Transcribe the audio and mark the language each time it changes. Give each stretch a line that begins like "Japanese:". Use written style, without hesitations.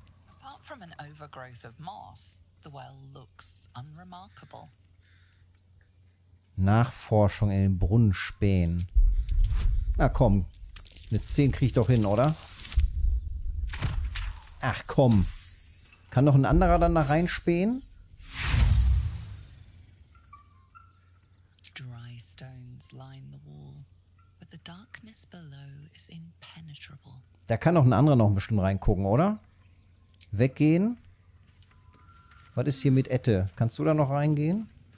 English: Apart from an overgrowth of moss, the well looks unremarkable.
German: Nachforschung in den Brunnen spähen. Na komm, eine 10 krieg ich doch hin, oder? Ach komm. Kann doch ein anderer dann da reinspähen?
English: Dry stones line the wall, but the darkness below is impenetrable.
German: Da kann auch ein anderer noch bestimmt reingucken, oder? Weggehen. Was ist hier mit Ette? Kannst du da noch reingehen?